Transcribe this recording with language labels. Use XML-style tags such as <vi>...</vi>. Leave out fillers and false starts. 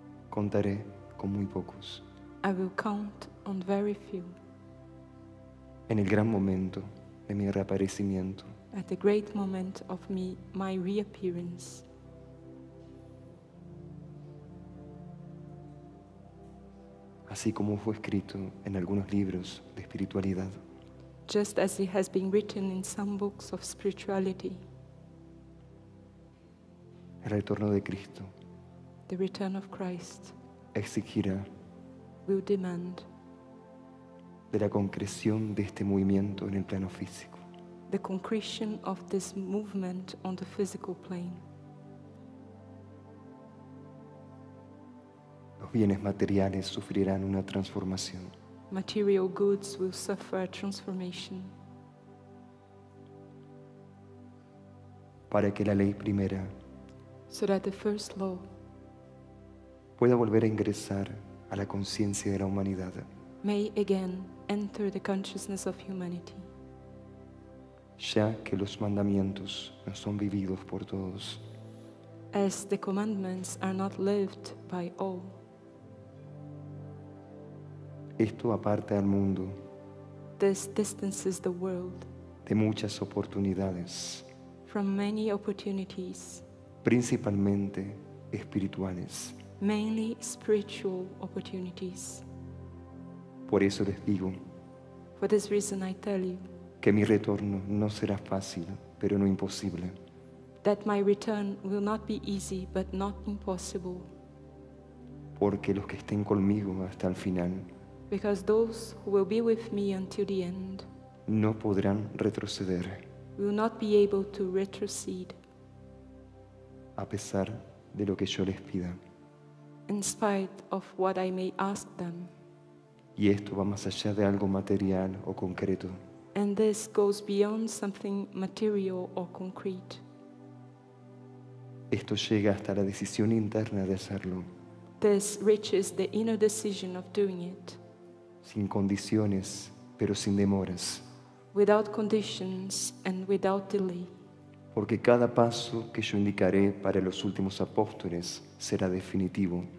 <es>contaré con muy pocos.</es> <en>I will count on very few.</en> <es>En el gran momento de mi reaparecimiento.</es> <en>At the great moment of me, my reappearance.</en> <es>Así como fue escrito en algunos libros de espiritualidad.</es> <en>Just as it has been written in some books of spirituality.</en> <es>El retorno de Cristo.</es> <en>The return of Christ.</en> <es>Exigirá.</es> <en>Will demand.</en> <es>De la concreción de este movimiento en el plano físico.</es> <en>The concretion of this movement on the physical plane.</en> <es>Los bienes materiales sufrirán una transformación.</es> <en>Material goods will suffer a transformation.</en> <es>Para que la ley primera,</es> <en>so that the first law,</en> <es>pueda volver a ingresar a la conciencia de la humanidad.</es> <en>May again enter the consciousness of humanity.</en> <es>Ya que los mandamientos no son vividos por todos.</es> <en>As the commandments are not lived by all.</en> <es>Esto aparta al mundo.</es> <en>This distances the world.</en> <es>De muchas oportunidades.</es> <en>From many opportunities.</en> <es>Principalmente espirituales.</es> <en>Mainly spiritual opportunities.</en> <es>Por eso les digo.</es> <en>For this reason I tell you,</en> <es>que mi retorno no será fácil, pero no imposible.</es> <en>That my return will not be easy, but not impossible.</en> <es>Porque los que estén conmigo hasta el final,</es> <en>because those who will be with me until the end,</en> <es>no podrán retroceder.</es> <en>Will not be able to retrocede.</en> <es>A pesar de lo que yo les pida.</es> <en>In spite of what I may ask them.</en> <es>Y esto va más allá de algo material o concreto.</es> <en>And this goes beyond something material or concrete.</en> <es>Esto llega hasta la decisión interna de hacerlo.</es> <en>This reaches the inner decision of doing it.</en> <es>Sin condiciones, pero sin demoras.</es> <en>Without conditions and without delay.</en> <es>Porque cada paso que yo indicaré para los últimos apóstoles será definitivo.</es>